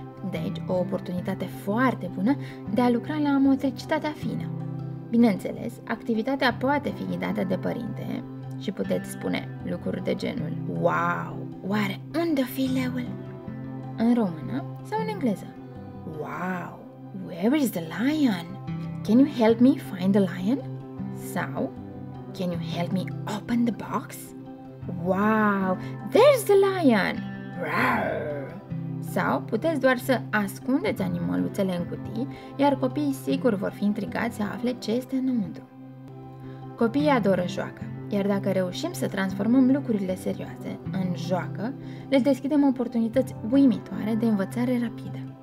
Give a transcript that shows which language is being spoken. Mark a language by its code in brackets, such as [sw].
[ro] Deci, o oportunitate foarte bună de a lucra la motricitatea fină. Bineînțeles, activitatea poate fi ghidată de părinte și puteți spune lucruri de genul: wow, oare unde-o fi leul? În română sau în engleză: [en] wow, where is the lion? Can you help me find the lion? [ro] Sau: [en] can you help me open the box? Wow, there's the lion! Rawr! [ro] Sau puteți doar să ascundeți animăluțele în cutii, iar copiii sigur vor fi intrigați să afle ce este înăuntru. Copiii adoră joacă, iar dacă reușim să transformăm lucrurile serioase în joacă, le deschidem oportunități uimitoare de învățare rapidă.